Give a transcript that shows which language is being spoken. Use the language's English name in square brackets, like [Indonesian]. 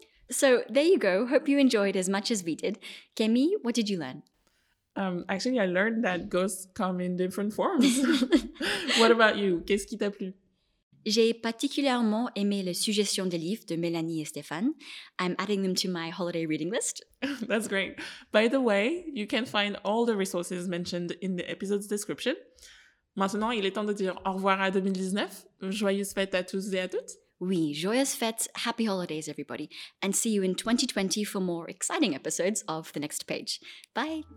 [English] So there you go. Hope you enjoyed as much as we did. Kemi, what did you learn? Actually, I learned that ghosts come in different forms. What about you? [French] Qu'est-ce qui t'a plu? J'ai particulièrement aimé les suggestions de livres de Mélanie et Stéphane. [English] I'm adding them to my holiday reading list. That's great. By the way, you can find all the resources mentioned in the episode's description. [French] Maintenant, il est temps de dire au revoir à 2019. Joyeuses fêtes à tous et à toutes. Oui, joyeuses fêtes, [English] happy holidays, everybody. And see you in 2020 for more exciting episodes of The Next Page. Bye.